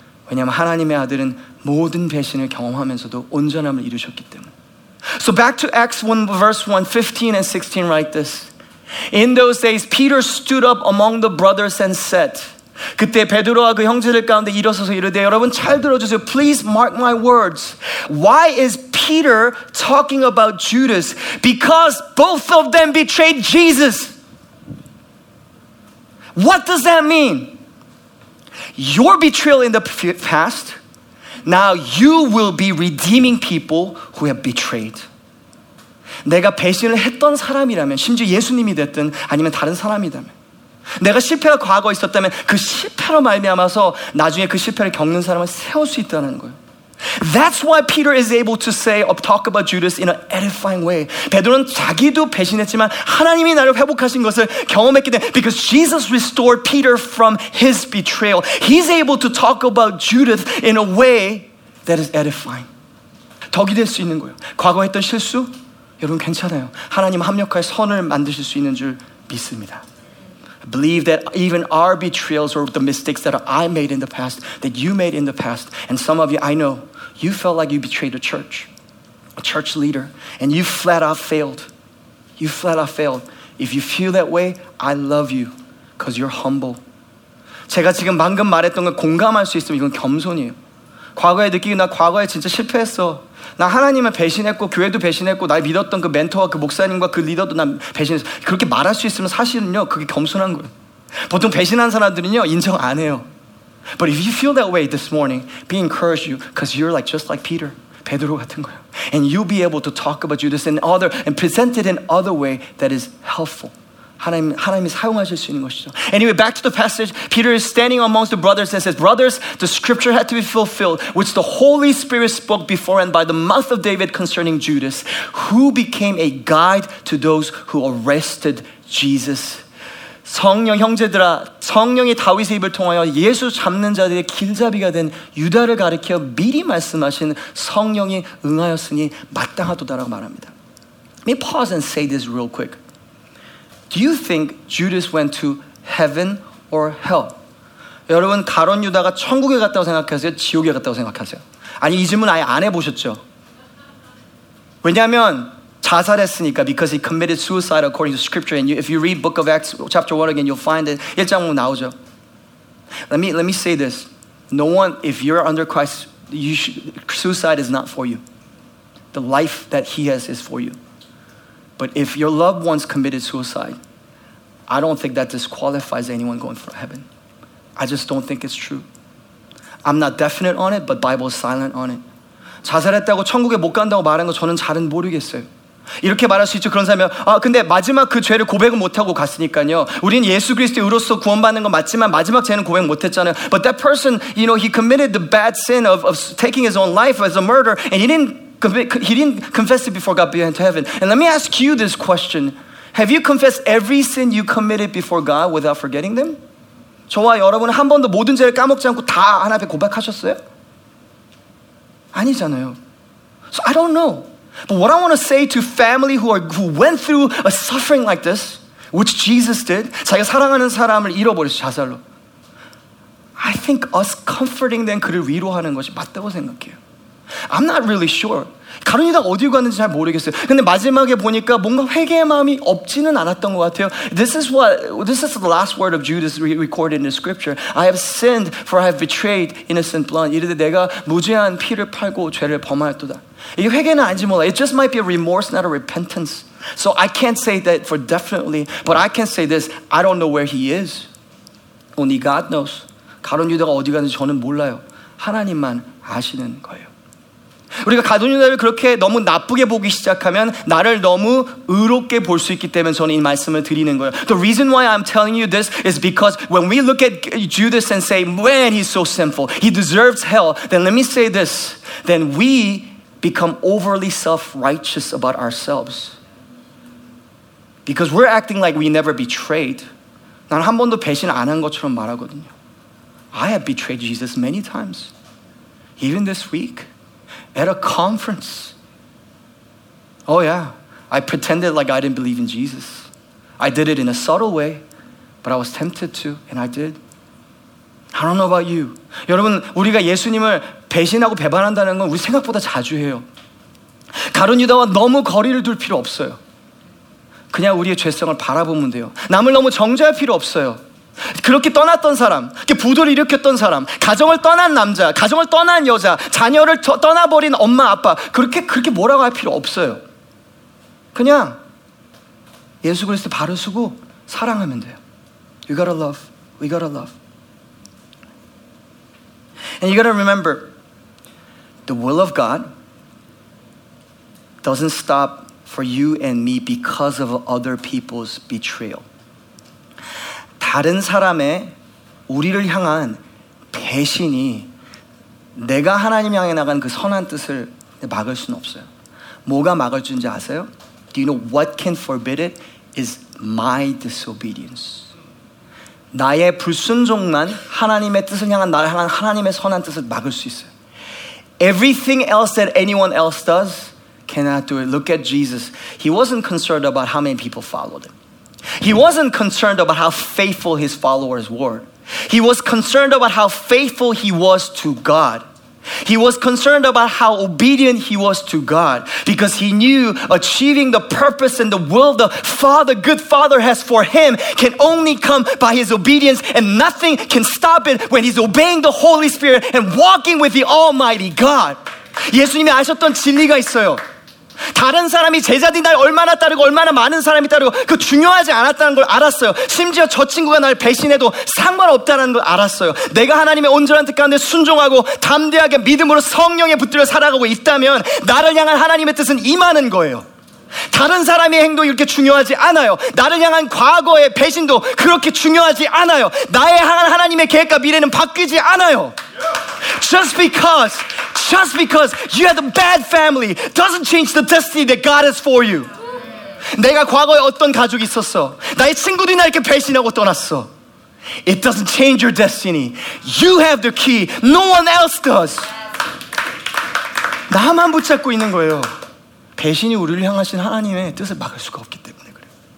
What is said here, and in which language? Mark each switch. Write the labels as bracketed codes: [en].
[ko] 왜냐하면 하나님의 아들은 모든 배신을 경험하면서도 온전함을 이루셨기 때문에. [en] So back to Acts 1 verse 1, 15 and 16 write this. In those days Peter stood up among the brothers and said, [ko] 그때 베드로와 그 형제들 가운데 일어서서 이르되 여러분 잘 들어주세요. [en] Please mark my words. Why is Peter talking about Judas? Because both of them betrayed Jesus. What does that mean? Your betrayal in the past, now you will be redeeming people who have betrayed. [ko] 내가 배신을 했던 사람이라면, 심지어 예수님이 됐든 아니면 다른 사람이라면, 내가 실패가 과거에 있었다면 그 실패로 말미암아서 나중에 그 실패를 겪는 사람을 세울 수 있다는 거예요. [en] That's why Peter is able to say or talk about Judas in an edifying way. [ko] 베드로는 자기도 배신했지만 하나님이 나를 회복하신 것을 경험했기 때문에 [en] because Jesus restored Peter from his betrayal. He's able to talk about Judas in a way that is edifying. [ko] 덕이 될 수 있는 거예요. 과거 했던 실수? 여러분 괜찮아요. 하나님 합력하여 선을 만드실 수 있는 줄 믿습니다. [en] Believe that even our betrayals or the mistakes that I made in the past, that you made in the past, and some of you, I know, you felt like you betrayed a church leader, and you flat out failed. You flat out failed. If you feel that way, I love you, because you're humble. [ko] 제가 지금 방금 말했던 걸 공감할 수 있으면 이건 겸손이에요. 과거에 느끼고 나 과거에 진짜 실패했어. 나 하나님을 배신했고 교회도 배신했고 나 믿었던 그 멘토와 그 목사님과 그 리더도 난 배신했어. 그렇게 말할 수 있으면 사실은요 그게 겸손한 거예요. 보통 배신한 사람들은요 인정 안 해요. [en] But if you feel that way this morning, be encouraged you because you're like just like Peter, [ko] 베드로 같은 거예요. [en] And you'll be able to talk about Judas in other and present it in other way that is helpful. [ko] 하나님이 사용하실 수 있는 것이죠. [en] Anyway, back to the passage. Peter is standing amongst the brothers and says, Brothers, the scripture had to be fulfilled, which the Holy Spirit spoke before and by the mouth of David concerning Judas, who became a guide to those who arrested Jesus. [ko] 성령, 형제들아, 성령이 다윗의 입을 통하여 예수 잡는 자들의 길잡이가 된 유다를 가리켜 미리 말씀하신 성령이 응하였으니 마땅하도다라고 말합니다. [en] Let me pause and say this real quick. Do you think Judas went to heaven or hell? [ko] 여러분, 가론 유다가 천국에 갔다고 생각하세요? 지옥에 갔다고 생각하세요? 아니, 이 질문 아예 안 해보셨죠? 왜냐하면 자살했으니까 [en] because he committed suicide according to scripture and if you read book of Acts chapter 1 again, you'll find it. [ko] 1장으로 나오죠. [en] Let me say this. No one, if you're under Christ, suicide is not for you. The life that he has is for you. But if your loved ones committed suicide, I don't think that disqualifies anyone going for heaven. I just don't think it's true. I'm not definite on it, but Bible is silent on it. [ko] 자살했다고 천국에 못 간다고 말한 거 저는 잘은 모르겠어요. 이렇게 말할 수 있죠. 그런 사람이 아 근데 마지막 그 죄를 고백을 못하고 갔으니까요. 우리는 예수 그리스도의 의로서 구원받는 건 맞지만 마지막 죄는 고백 못했잖아요. [en] But that person, you know, he committed the bad sin of taking his own life as a murder, and he didn't confess it before God went to heaven. And let me ask you this question. Have you confessed every sin you committed before God without forgetting them? [ko] 저와 여러분은 한 번도 모든 죄를 까먹지 않고 다 하나님 앞에 고백하셨어요? 아니잖아요. [en] So I don't know. But what I want to say to family who went through a suffering like this, which Jesus did, [ko] 자기가 사랑하는 사람을 잃어버렸어, 자살로. [en] I think us comforting them, [ko] 그를 위로하는 것이 맞다고 생각해요. [en] I'm not really sure. [ko] 가룟유다가 어디로 갔는지 잘 모르겠어요. 근데 마지막에 보니까 뭔가 회개의 마음이 없지는 않았던 것 같아요. [en] This is the last word of Judas recorded in the scripture. I have sinned, for I have betrayed innocent blood. [ko] 이르되 내가 무죄한 피를 팔고 죄를 범하였도다. 이게 회개는 아닌지 몰라요. [en] It just might be a remorse, not a repentance. So I can't say that for definitely, but I can say this. I don't know where he is. Only God knows. [ko] 가룟유다가 어디 갔는지 저는 몰라요. 하나님만 아시는 거예요. 우리가 가룟유다를 그렇게 너무 나쁘게 보기 시작하면 나를 너무 의롭게 볼 수 있기 때문에 저는 이 말씀을 드리는 거예요. [en] The reason why I'm telling you this is because when we look at Judas and say, man, he's so sinful, he deserves hell, then let me say this, then we become overly self-righteous about ourselves. Because we're acting like we never betrayed. [ko] 난 한 번도 배신 안 한 것처럼 말하거든요. [en] I have betrayed Jesus many times. Even this week. At a conference. Oh yeah, I pretended like I didn't believe in Jesus. I did it in a subtle way, but I was tempted to, and I did. I don't know about you. [ko] 여러분, 우리가 예수님을 배신하고 배반한다는 건 우리 생각보다 자주 해요. 가룟 유다와 너무 거리를 둘 필요 없어요. 그냥 우리의 죄성을 바라보면 돼요. 남을 너무 정죄할 필요 없어요. 그렇게 떠났던 사람, 이렇게 부도를 일으켰던 사람, 가정을 떠난 남자, 가정을 떠난 여자, 자녀를 떠나버린 엄마, 아빠, 그렇게 뭐라고 할 필요 없어요. 그냥 예수 그리스도 발을 쓰고 사랑하면 돼요. [en] You gotta love. We gotta love. And you gotta remember, the will of God doesn't stop for you and me because of other people's betrayal. [ko] 다른 사람의 우리를 향한 배신이 내가 하나님 향해 나간 그 선한 뜻을 막을 수는 없어요. 뭐가 막을 줄인지 아세요? [en] Do you know what can forbid it? Is my disobedience. [ko] 나의 불순종만 하나님의 뜻을 향한 나를 향한 하나님의 선한 뜻을 막을 수 있어요. [en] Everything else that anyone else does cannot do it. Look at Jesus. He wasn't concerned about how many people followed him. He wasn't concerned about how faithful his followers were. He was concerned about how faithful he was to God. He was concerned about how obedient he was to God because he knew achieving the purpose and the will the Father, good Father has for him can only come by his obedience and nothing can stop it when he's obeying the Holy Spirit and walking with the Almighty God. [ko] 예수님이 아셨던 진리가 있어요. 다른 사람이 제자들이 날 얼마나 따르고 얼마나 많은 사람이 따르고 그 중요하지 않았다는 걸 알았어요. 심지어 저 친구가 날 배신해도 상관없다는 걸 알았어요. 내가 하나님의 온전한 뜻 가운데 순종하고 담대하게 믿음으로 성령에 붙들려 살아가고 있다면 나를 향한 하나님의 뜻은 임하는 거예요. 다른 사람의 행동이 이렇게 중요하지 않아요. 나를 향한 과거의 배신도 그렇게 중요하지 않아요. 나에 향한 하나님의 계획과 미래는 바뀌지 않아요. [en] Just because you had a bad family doesn't change the destiny that God has for you. [ko] 내가 과거에 어떤 가족이 있었어. 나의 친구들이 나 이렇게 배신하고 떠났어. [en] It doesn't change your destiny. You have the key. No one else does. [ko] 나만 붙잡고 있는 거예요. 배신이 우리를 향하신 하나님의 뜻을 막을 수가 없기 때문에 그래요.